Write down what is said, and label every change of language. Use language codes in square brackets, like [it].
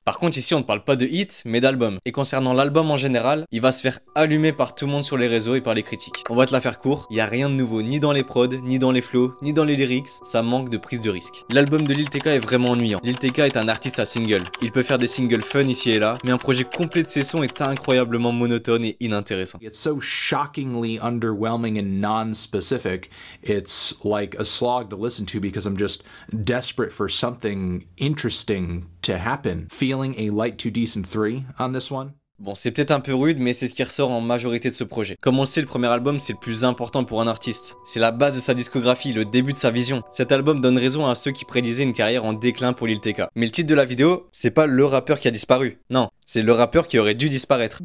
[fr] Par contre, ici, on ne parle pas de hit, mais d'album. Et concernant l'album en général, il va se faire allumer par tout le monde sur les réseaux et par les critiques. On va te la faire court, il n'y a rien de nouveau, ni dans les prods, ni dans les flows, ni dans les lyrics, ça manque de prise de risque. L'album de Lil TK est vraiment ennuyant. Lil TK est un artiste à single. Il peut faire des singles fun ici et là, mais un projet complet de ses sons est incroyablement monotone et inintéressant. [en] It's so shockingly underwhelming and non-specific, it's like a slog to listen to because I'm just desperate for something interesting to happen. Feeling a light to decent 3 on this one. [fr] Bon, c'est peut-être un peu rude, mais c'est ce qui ressort en majorité de ce projet. Comme on le sait, le premier album, c'est le plus important pour un artiste. C'est la base de sa discographie, le début de sa vision. Cet album donne raison à ceux qui prédisaient une carrière en déclin pour Lil TK. Mais le titre de la vidéo, c'est pas le rappeur qui a disparu. Non, c'est le rappeur qui aurait dû disparaître.